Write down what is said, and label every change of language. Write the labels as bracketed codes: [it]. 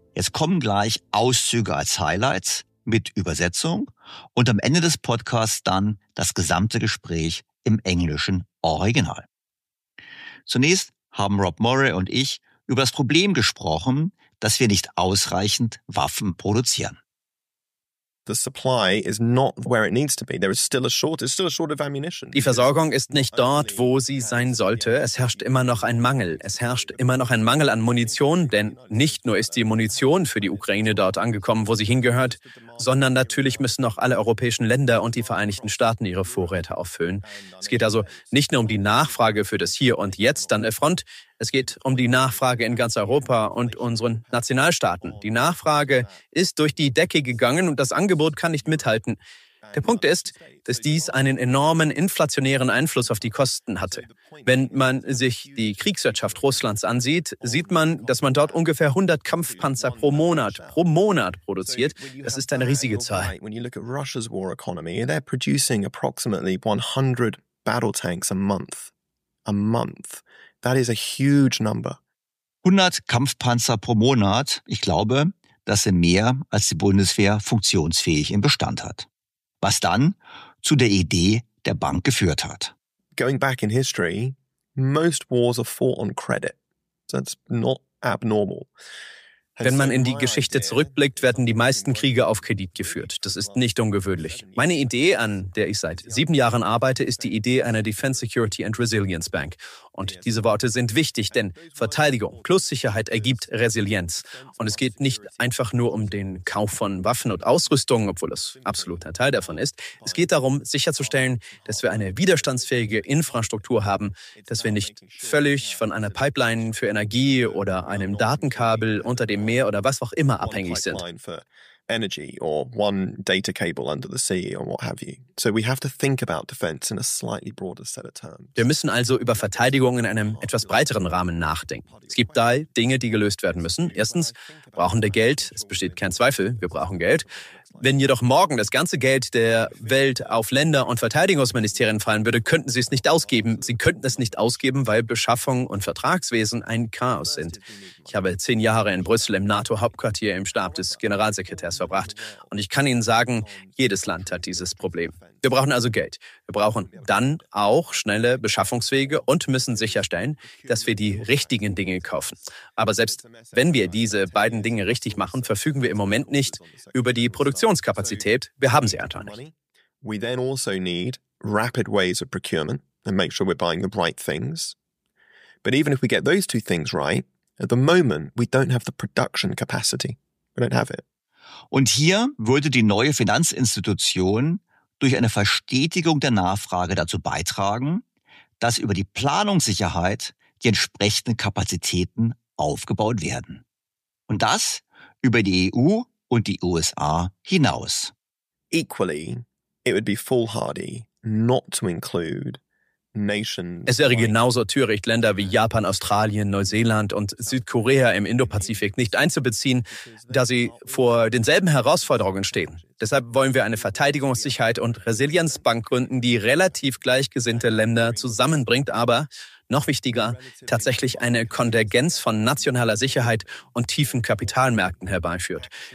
[de] Jetzt kommen gleich Auszüge als Highlights mit Übersetzung und am Ende des Podcasts dann das gesamte Gespräch im englischen Original. Zunächst haben Rob Murray und ich über das Problem gesprochen, dass wir nicht ausreichend Waffen produzieren. [en] The supply is not where it needs to be. There is still a shortage, still a short of ammunition. [de] Die Versorgung ist nicht dort, wo sie sein sollte. Es herrscht immer noch ein Mangel. Es herrscht immer noch ein Mangel an Munition, denn nicht nur ist die Munition für die Ukraine dort angekommen, wo sie hingehört, sondern natürlich müssen auch alle europäischen Länder und die Vereinigten Staaten ihre Vorräte auffüllen. Es geht also nicht nur um die Nachfrage für das Hier und Jetzt an der Front. Es geht um die Nachfrage in ganz Europa und unseren Nationalstaaten. Die Nachfrage ist durch die Decke gegangen und das Angebot kann nicht mithalten. Der Punkt ist, dass dies einen enormen inflationären Einfluss auf die Kosten hatte. Wenn man sich die Kriegswirtschaft Russlands ansieht, sieht man, dass man dort ungefähr 100 Kampfpanzer pro Monat produziert. Das ist eine riesige Zahl. [en] When you look at Russia's war economy, they're producing approximately 100 battle tanks a month. A month. That is a huge number. [de] 100 Kampfpanzer pro Monat. Ich glaube, das sind mehr, als die Bundeswehr funktionsfähig im Bestand hat. Was dann zu der Idee der Bank geführt hat. [en] Going back in history, most wars are fought on credit. That's not abnormal. [de] Wenn man in die Geschichte zurückblickt, werden die meisten Kriege auf Kredit geführt. Das ist nicht ungewöhnlich. Meine Idee, an der ich seit 7 Jahren arbeite, ist die Idee einer Defense Security and Resilience Bank. Und diese Worte sind wichtig, denn Verteidigung plus Sicherheit ergibt Resilienz. Und es geht nicht einfach nur um den Kauf von Waffen und Ausrüstung, obwohl das absolut ein Teil davon ist. Es geht darum, sicherzustellen, dass wir eine widerstandsfähige Infrastruktur haben, dass wir nicht völlig von einer Pipeline für Energie oder einem Datenkabel unter dem Meer oder was auch immer abhängig sind. [en] Energy or one data cable under the sea or what have you. So we have to think about defense in a slightly broader set of terms. [de] Wir müssen also über Verteidigung in einem etwas breiteren Rahmen nachdenken. Es gibt da Dinge, die gelöst werden müssen. Erstens brauchen wir Geld. Es besteht kein Zweifel, wir brauchen Geld. Wenn jedoch morgen das ganze Geld der Welt auf Länder und Verteidigungsministerien fallen würde, könnten sie es nicht ausgeben. Sie könnten es nicht ausgeben, weil Beschaffung und Vertragswesen ein Chaos sind. Ich habe 10 Jahre in Brüssel im NATO-Hauptquartier im Stab des Generalsekretärs verbracht. Und ich kann Ihnen sagen, jedes Land hat dieses Problem. Wir brauchen also Geld. Wir brauchen dann auch schnelle Beschaffungswege und müssen sicherstellen, dass wir die richtigen Dinge kaufen. Aber selbst wenn wir diese beiden Dinge richtig machen, verfügen wir im Moment nicht über die Produktionskapazität. Wir haben sie einfach nicht. [en] We then also need rapid ways of procurement and make sure we're buying the right things. But even if we get those two things right, at the moment we don't have the production capacity. We don't have it. [de] Und hier würde die neue Finanzinstitution durch eine Verstetigung der Nachfrage dazu beitragen, dass über die Planungssicherheit die entsprechenden Kapazitäten aufgebaut werden. Und das über die EU und die USA hinaus. [en] Equally, it would be foolhardy not to include. [de] Es wäre genauso töricht, Länder wie Japan, Australien, Neuseeland und Südkorea im Indopazifik nicht einzubeziehen, da sie vor denselben Herausforderungen stehen. Deshalb wollen wir eine Verteidigungssicherheit und Resilienzbank gründen, die relativ gleichgesinnte Länder zusammenbringt, aber noch wichtiger, tatsächlich eine Konvergenz von nationaler Sicherheit und tiefen Kapitalmärkten herbeiführt.